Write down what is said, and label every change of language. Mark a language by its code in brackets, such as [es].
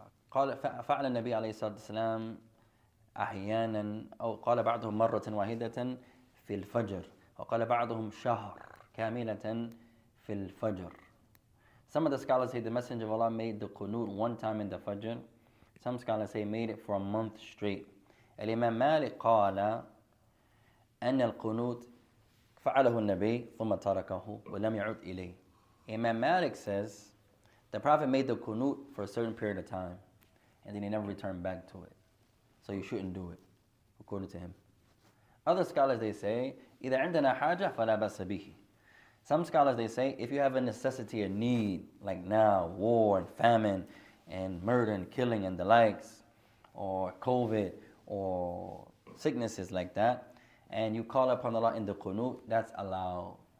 [ar] قال فعل النبي عليه الصلاة والسلام أحيانا أو قال بعضهم مرة واحدة في الفجر وقال بعضهم شهر كاملة في الفجر. [en] Some of the scholars say the Messenger of Allah made the Qunut one time in the Fajr. Some scholars say he made it for a month straight. [ar] الإمام مالك قال أن القنوت فعله النبي ثم تركه ولم يعود إليه. [en] Imam Malik says the Prophet made the kunut for a certain period of time and then he never returned back to it. So you shouldn't do it, according to him. Other scholars, they say, [ar] إذا عندنا حاجة فلا بأس به. [en] Some scholars, they say, if you have a necessity, a need, like now, war and famine and murder and killing and the likes, or COVID or sicknesses like that, and you call upon Allah in the qunut, that's allowed.